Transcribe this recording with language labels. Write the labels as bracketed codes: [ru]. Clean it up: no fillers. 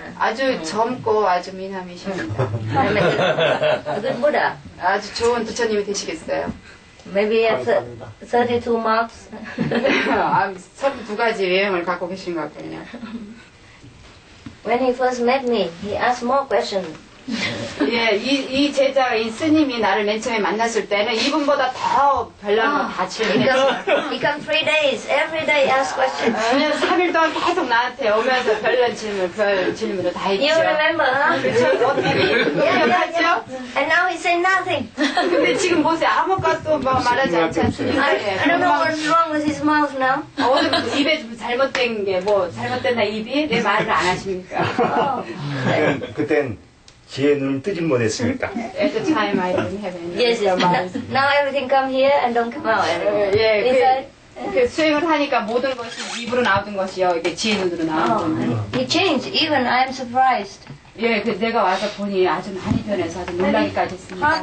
[ko] 아주 젊고 아주 미남이십니다. [en] I mean, good Buddha. [ko] 아주 좋은 부처님이 되시겠어요? [en] Maybe 32 marks. [ko] 아, 32 가지 외형을 갖고 계신 것 같군요. [en] When he first met me, he asked more questions. [ko] 예, 이 제자, 이 스님이 나를 맨 처음에 만났을 때는 이분보다 더 별난 거 다 질문했어요. [en] He comes three days, every day ask questions. [ko] 3일 동안 계속 나한테 오면서 별난 질문, 별 질문을 다 했죠. [en] You remember, huh? [ko] 그렇죠, 어떻게 기억하죠? [en] And now he said nothing. [ko] 근데 지금 보세요, 아무것도 뭐 말하지 않지 않습니까? [en] I don't know what's wrong with his mouth now. [ko] 오늘 입에 좀 잘못된 게 뭐, 잘못된 나 입이 내 말을 안 하십니까? 그땐 제 눈 뜨질 못했습니까? [en] At the time I didn't have any. Yes, now everything come here and don't come out. [ko] 예, 그 수행을 하니까 모든 것이 입으로 나오던 것이요, 이게 제 눈으로 나오는. [en] He changed. Even I am surprised. [ko] 예, 그 내가 와서 보니 아주 많이 변해서 아주 놀라기까지 했습니다.